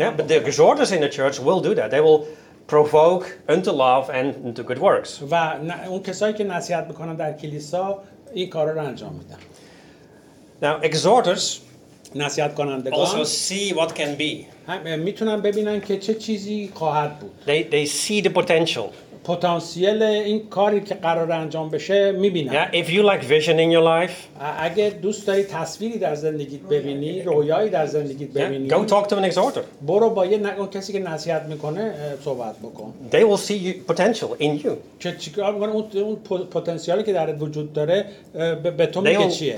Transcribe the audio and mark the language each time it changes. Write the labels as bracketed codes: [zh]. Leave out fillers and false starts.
[en] Yeah, but the exhorters in the church will do that. They will provoke unto love and unto good works. [fa] و اون کسایی که نصیحت میکنن در کلیسا این کارا رو انجام میدن. [en] Now exhorters [fa] نصیحت کنندگان [en] also see what can be. [fa] میتونن ببینن که چه چیزی خواهد بود. [en] They see the potential. [fa] پتانسیل این کاری که قرار انجام بشه میبینن. [en] Yeah, if you like vision in your life. [fa] اگه دوست داری تصویری در زندگیت ببینی، رویایی در زندگیت ببینی. [en] Yeah, go talk to an exhorter. [fa] برو با یه کسی که نصیحت میکنه صحبت بکن. [en] They will see your potential in you. [fa] اون پتانسیلی که درت وجود داره به تو میگه چیه.